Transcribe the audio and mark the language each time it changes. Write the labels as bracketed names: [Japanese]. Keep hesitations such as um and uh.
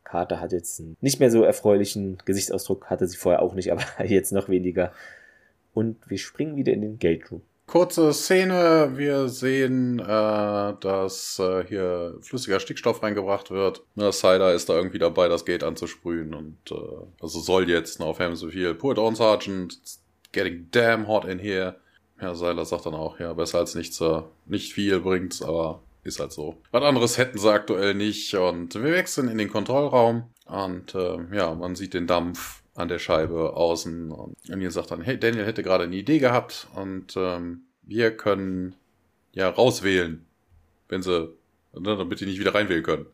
[German] Carter hat jetzt einen nicht mehr so erfreulichen Gesichtsausdruck, hatte sie vorher auch nicht, aber jetzt noch weniger. Und wir springen wieder in den Gate Room. Kurze Szene, wir sehen, äh, dass äh, hier flüssiger Stickstoff reingebracht wird. Ne, Cider ist da irgendwie dabei, das Gate anzusprühen und äh, also soll jetzt auf Hemsville. [English] Put on, Sergeant. It's getting damn hot in here. [German] Ja, Seiler sagt dann auch, ja, besser als nichts, Sir. Nicht viel bringt's, aber ist halt so. Was anderes hätten sie aktuell nicht und wir wechseln in den Kontrollraum und äh, ja, man sieht den Dampf an der Scheibe außen und Daniel sagt dann, hey, Daniel hätte gerade eine Idee gehabt und ähm, wir können ja rauswählen, wenn sie, ne, damit die nicht wieder reinwählen können.